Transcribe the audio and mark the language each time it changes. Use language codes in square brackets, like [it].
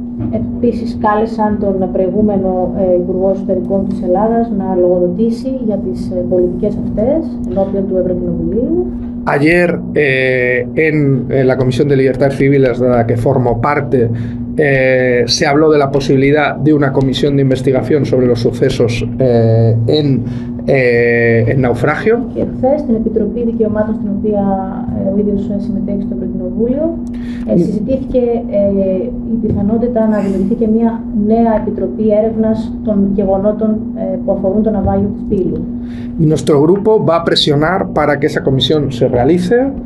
[el] Επίσης κάλεσαν τον προηγούμενο Υπουργό Εσωτερικών της Ελλάδας να λογοδοτήσει για τις πολιτικές αυτές ενώπιον του Ευρωκοινοβουλίου. [es] Ayer, en la Comisión de Libertades Civiles, de la que formo parte, se habló de la posibilidad de una comisión de investigación sobre los sucesos en naufragio. [el] Εχθές, στην Επιτροπή Δικαιωμάτων, στην οποία ο ίδιος συμμετέχει στο Ευρωκοινοβούλιο, συζητήθηκε η πιθανότητα να δημιουργηθεί και μια νέα Επιτροπή Έρευνας των γεγονότων που αφορούν το ναυάγιο της Πύλου. [es] Y nuestro grupo va a presionar para que esa comisión se realice.